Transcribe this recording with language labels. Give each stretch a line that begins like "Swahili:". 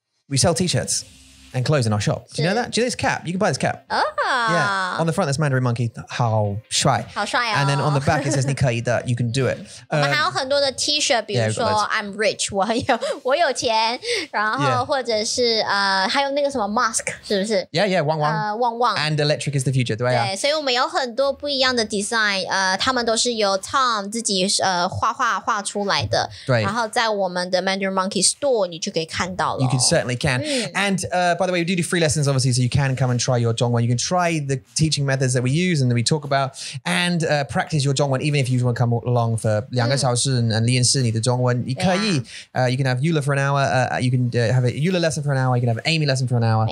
English: We sell t-shirts and clothes in our shop. Do you know that? Do you know this cap? You can buy this cap. Oh. Yeah. On the front, there's Mandarin Monkey. How shy. How shy. And then on the back, it says,
Chinese: 你可以的,
English: that you can do it. I'm rich.
Chinese: 我有钱。然后或者是还有那个什么 mask, 是不是?
English: Yeah, Wang. Wang. And electric is the future.
Chinese: 对,所以我们有很多不一样的 design. 他们都是由 Tom 自己画画画出来的。然后在我们的 Mandarin Monkey store, 你就可以看到了。
English: You can certainly can. And by the way, we do free lessons, obviously, so you can come and try your Zhongwen. You can try the teaching methods that we use and that we talk about and practice your Zhongwen, even if you want to come along for
Chinese: 两个小时
English: and
Chinese: 练习你的
English: Zhongwen. You can have Yula for an hour. You can have a Yula lesson for an hour. You can have Amy lesson for an hour.